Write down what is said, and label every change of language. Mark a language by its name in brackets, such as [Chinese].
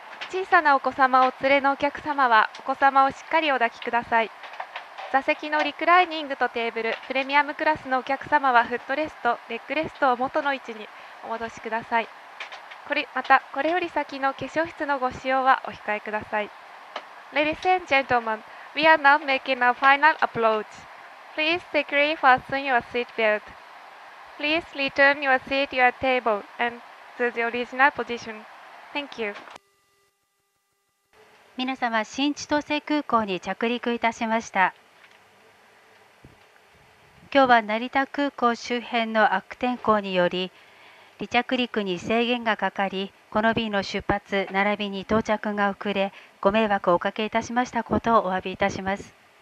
[Japanese] 小さなお子様をお連れのお客様はお子様をしっかりお抱きください。座席のリクライニングとテーブル、プレミアムクラスのお客様はフットレスト、レッグレストを元の位置にお戻しください。またこれより先の化粧室のご使用はお控えください。 [English] Ladies and gentlemen, we are now making our final approach. Please securely fasten your seat belt. Please return your seat, your table, and to the original position. Thank you. [Japanese] 皆様、新千歳空港に着陸いたしました。今日は成田空港周辺の悪天候により、離着陸に制限がかかり、この便の出発並びに到着が遅れ、ご迷惑をおかけいたしましたことをお詫びいたします。